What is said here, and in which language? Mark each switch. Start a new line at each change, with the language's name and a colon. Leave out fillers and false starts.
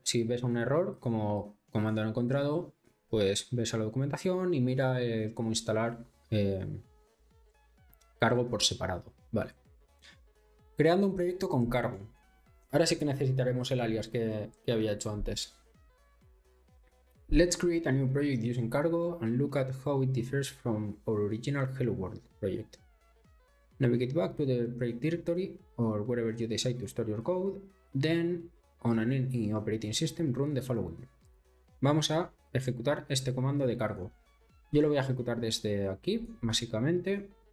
Spanish: Si ves un error, como comando no encontrado, pues ves a la documentación y mira cómo instalar cargo por separado, ¿vale? Creando un proyecto con cargo. Ahora sí que necesitaremos el alias que había hecho antes.
English: Let's create a new project using cargo and look at how it differs from our original Hello World project. Navigate back to the project directory or wherever you decide to store your code. Then, on an any operating system, run the following.
Spanish: Vamos a ejecutar este comando de cargo. Yo lo voy a ejecutar desde aquí, básicamente.